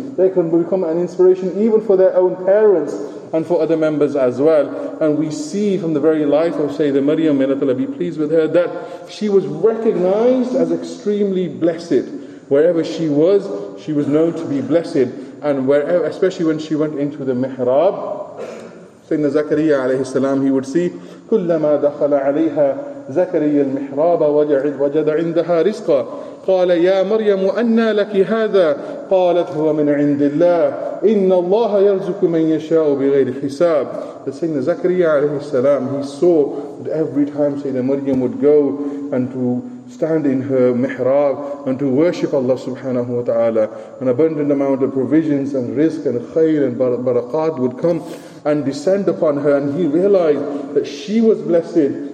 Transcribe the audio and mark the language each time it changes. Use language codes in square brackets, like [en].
[en] They can become an inspiration even for their own parents and for other members as well. And we see from the very life of Sayyidah Maryam, may Allah be pleased with her, that she was recognized as extremely blessed. Wherever she was known to be blessed. And wherever, especially when she went into the mihrab, Sayyidina Zakariya alayhi salam, he would see, [ar] كُلَّمَا دَخَلَ عَلَيْهَا زَكَرِيَّ الْمِحْرَابَ وَجَدَ عِنْدَهَا رِزْقًا قَالَ يَا مَرْيَمُ أَنَّا لَكِ هَذَا قَالَتْ هُوَ مِنْ عِنْدِ اللَّهِ إِنَّ اللَّهَ يَرْزُكُ مَنْ يَشَاءُ بِغَيْرِ حِسَابٍ. [en] But Sayyidina Zakariya alayhi salam, he saw that every time Sayyidina Maryam would go and to stand in her mihrab and to worship Allah subhanahu wa ta'ala, an abundant amount of provisions and rizq and khayr and barakat would come and descend upon her, and he realized that she was blessed.